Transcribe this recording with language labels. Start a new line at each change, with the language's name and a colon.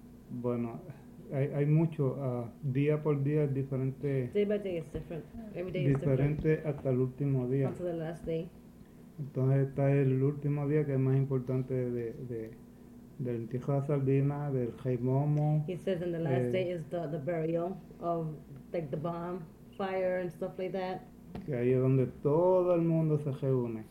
Spanish: Bueno, hay mucho, día por día es diferente.
English: Day by day is different. Every day
Spanish: diferente
English: is different.
Spanish: Hasta el último día.
English: Until the last day.
Spanish: Entonces está el último día que es más importante del entierro de Sardina, del Rey Momo.
English: He says in the last day is the burial of like the bomb, fire and stuff like that.
Spanish: Que ahí es donde todo el mundo se reúne.